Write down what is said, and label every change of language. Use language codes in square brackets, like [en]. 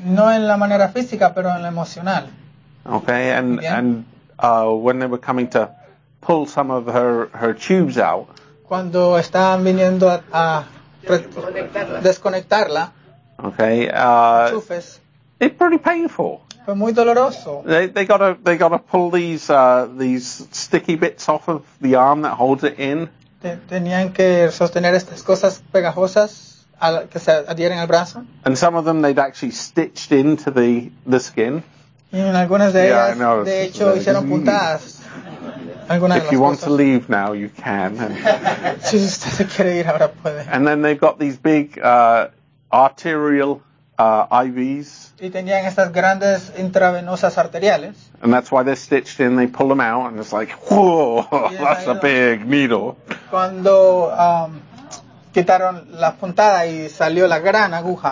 [es] No en la manera física, pero en la emocional. [en] Okay, and when they were coming to pull some of her tubes out. [es] Cuando estaban viniendo a desconectarla. [en] Okay. Chufes. It's pretty painful. [es] Fue muy doloroso. [en] They got to pull these sticky bits off of the arm that holds it in. [es] Tenían que sostener estas cosas pegajosas que se adhieren al brazo. [en] And some of them they'd actually stitched into the skin. [es] Y en algunas de ellas, yeah, de hecho, hicieron puntadas. [en] If you want to leave now, you can. [es] Si usted se quiere ir ahora, puede. [en] And then they've got these big arterial IVs. [es] Y tenían estas grandes intravenosas arteriales. [en] And that's why they're stitched in, they pull them out, and it's like, whoa, that's a big needle. [es] Cuando quitaron la puntada y salió la gran aguja.